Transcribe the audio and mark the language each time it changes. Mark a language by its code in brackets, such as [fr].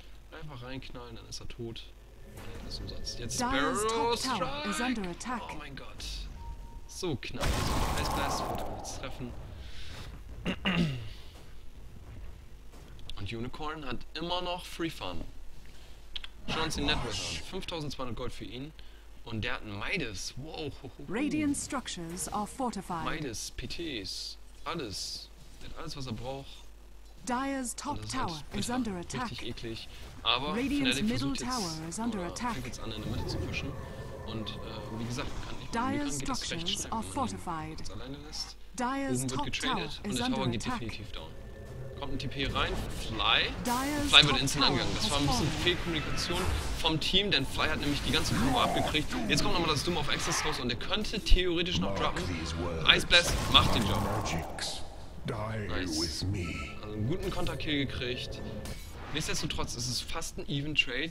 [de] Einfach reinknallen, dann ist er tot. Nein, das ist umsonst. Jetzt Sparrow Strike! Oh mein Gott. So knapp. Also, Ice Blast wird ihn jetzt treffen. Und Unicorn hat immer noch Free Fun. Schauen Sie den Netwizard. 5200 Gold für ihn. Und der hat einen Midas. Wow. [en] Radiant Structures are fortified. [de] Midas, PTs, alles. Der hat alles, was er braucht. [en] Dire's top tower is under attack. [de] Richtig eklig. [en] Aber Radiant's middle tower is under attack. [de] Fängt jetzt an, in der Mitte zu pushen. Und wie gesagt, kann ich [en] Dire's structures are fortified. Dire's top tower is under attack. [de] Definitiv down. Kommt ein TP rein, Fly. Dire's Fly wird instant angegangen. Das war ein bisschen Fehlkommunikation vom Team, denn Fly hat nämlich die ganze Kurve abgekriegt. Jetzt kommt nochmal das Doom auf Access raus und er könnte theoretisch noch droppen. Ice Blast macht den Job. Nice. Also einen guten Konterkill gekriegt. Nichtsdestotrotz ist es fast ein Even Trade.